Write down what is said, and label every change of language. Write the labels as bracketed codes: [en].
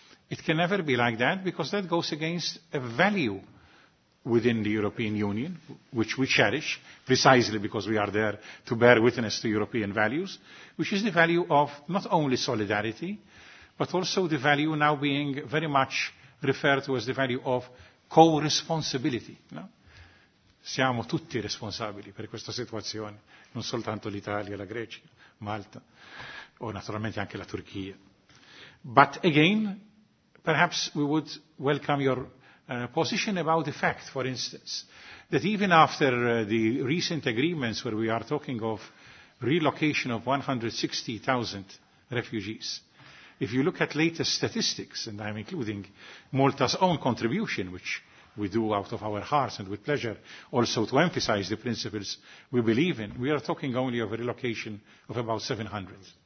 [en] It can never be like that because that goes against a value within the European Union, which we cherish precisely because we are there to bear witness to European values, which is the value of not only solidarity, but also the value now being very much referred to as the value of co-responsibility. No? [it] Siamo tutti responsabili per questa situazione, non soltanto l'Italia, la Grecia, Malta, o naturalmente anche la Turchia. [en] But again, perhaps we would welcome your position about the fact, for instance, that even after the recent agreements where we are talking of relocation of 160,000 refugees, if you look at latest statistics, and I'm including Malta's own contribution, which we do out of our hearts and with pleasure, also to emphasize the principles we believe in, we are talking only of a relocation of about 700.